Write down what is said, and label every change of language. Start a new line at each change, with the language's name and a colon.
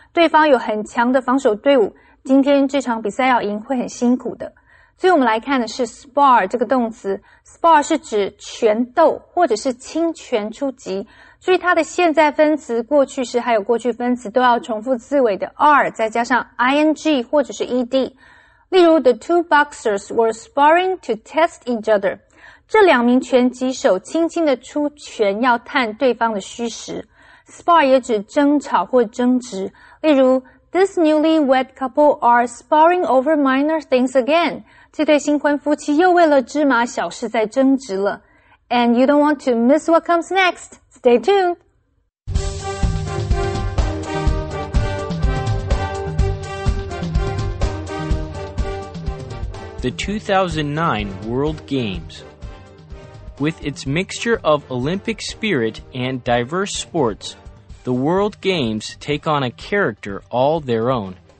Chinese: 对方有很强的防守队伍，今天这场比赛要赢会很辛苦的。所以我们来看的是 spar 这个动词。spar 是指拳斗或者是轻拳出击。所以它的现在分词、过去式还有过去分词都要重复字尾的 r, 再加上 ing 或者是 ed。例如
English: ,the two boxers were sparring to test each other.
Chinese: 这两名拳击手轻轻地出拳要探对方的虚实。 spar 也指争吵或争执。例如
English: ,this newlywed couple are sparring over minor things again.
Chinese: 这对新婚夫妻又为了芝麻小事在争执了。
English: And you don't want to miss what comes next. Stay tuned! The 2009 World Games. With its mixture of Olympic spirit and diverse sports, the World Games take on a character all their own.